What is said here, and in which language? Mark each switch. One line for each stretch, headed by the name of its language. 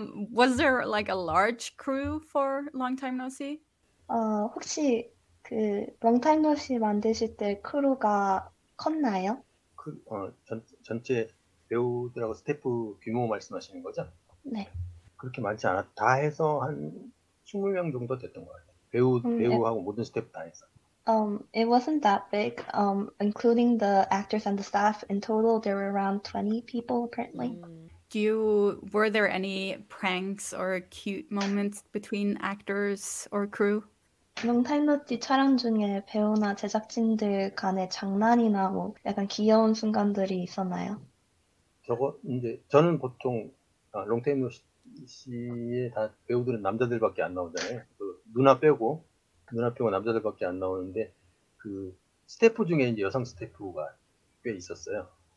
English: Was there like a large crew for Long Time No See?
Korean: 혹시 그 Long Time No See 만드실 때 크루가 컸나요? 전체 배우들하고 스태프 규모 말씀하시는 거죠? 네. 그렇게 많지 않았다. 다 해서 한 20명 정도 됐던 것 같아요. 배우하고 모든 스태프 다 해서.
English: It wasn't that big. Including the actors and the staff in total, there were around 20 people apparently. Were there any pranks or cute moments between actors or crew?
Korean: 롱타임노티 촬영 중에 배우나 제작진들 간의 장난이나 뭐 약간 귀여운 순간들이 있었나요? 저는 보통 롱테임노 씨의 다 배우들은 남자들밖에 안 나오잖아요. 그 누나 빼고 남자들밖에 안 나오는데 그 스태프 중에 이제 여성 스태프가 꽤 있었어요.